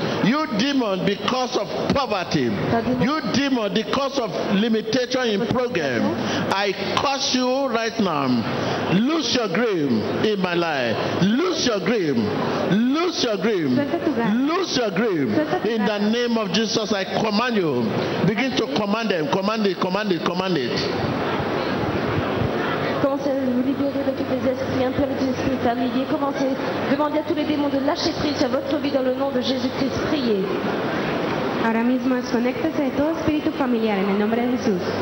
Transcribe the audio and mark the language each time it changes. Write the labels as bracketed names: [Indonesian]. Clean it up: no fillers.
[English] You demon, the cause of poverty. You demon, the cause of limitation in program. I curse you right now. Lose your grip in my life. Lose your grip. Lose your grip. Lose your grip. In the name of Jesus, I command you. Begin to command them. Command it, command it, command it. [French] Commencez à vous libérer de tous les esprits impurs, des esprits familiers. Commencez à demander à tous les démons de lâcher prise sur votre vie dans le nom de Jésus-Christ. Priez. [Spanish] Ahora mismo desconectese de todo espíritu familiar en el nombre de Jesús.